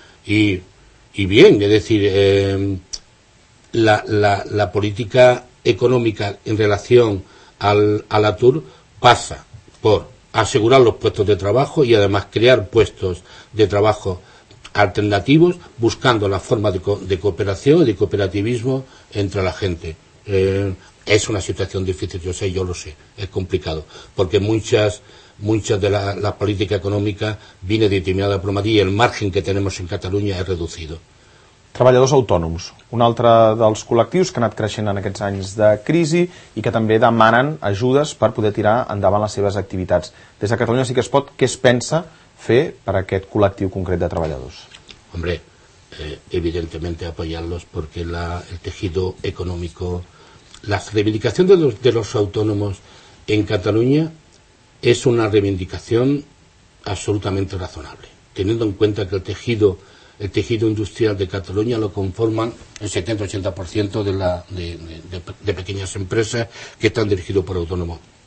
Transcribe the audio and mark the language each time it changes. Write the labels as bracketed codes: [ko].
[es] Y bien, es decir, la política económica en relación al atur pasa por asegurar los puestos de trabajo y además crear puestos de trabajo alternativos buscando la forma de cooperación y de cooperativismo entre la gente. Es una situación difícil, yo lo sé, es complicado, porque muchas de la política económica viene determinada por Madrid y el margen que tenemos en Cataluña es reducido. [ca] Treballadors autònoms, un altre dels col·lectius que ha anat creixent en aquests anys de crisi i que també demanen ajudes per poder tirar endavant les seves activitats. Des de Catalunya sí que es pot, què es pensa fer per a aquest col·lectiu concret de treballadors? [es] Hombre, evidentemente apoyarlos porque el tejido económico, las reivindicaciones de los autónomos en Cataluña es una reivindicación absolutamente razonable, teniendo en cuenta que el tejido industrial de Cataluña lo conforman el 70-80% de pequeñas empresas que están dirigidas por autónomos.